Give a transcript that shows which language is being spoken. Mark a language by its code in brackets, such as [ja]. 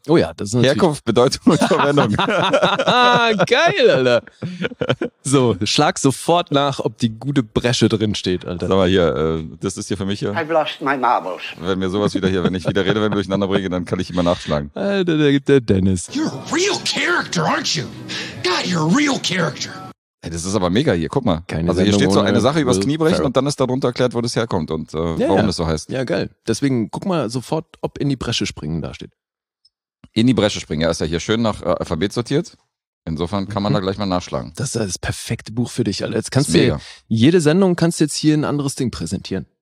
[de] Oh ja, das ist natürlich... Herkunft, Bedeutung und Verwendung. Geil, Alter. So, schlag sofort nach, ob die gute Bresche drin steht, Alter. Sag mal hier, das ist hier für mich. [en] I've lost my marbles. [de] Wenn mir sowas wieder hier, wenn ich wieder rede, wenn wir durcheinander bringe, dann kann ich immer nachschlagen. Alter, der Dennis. [en] You're a real character, aren't you? God, you're a real character. [de] Hey, das ist aber mega hier, guck mal. Keine also hier Sendung steht so eine Sache übers Knie brechen und dann ist darunter erklärt, wo das herkommt und warum das so heißt. Ja, geil. Deswegen guck mal sofort, ob in die Bresche springen da steht. In die Bresche springen, ja, ist ja hier schön nach Alphabet sortiert. Insofern kann man da gleich mal nachschlagen. Das ist das perfekte Buch für dich, Alter. Jetzt kannst du jede Sendung kannst du jetzt hier ein anderes Ding präsentieren.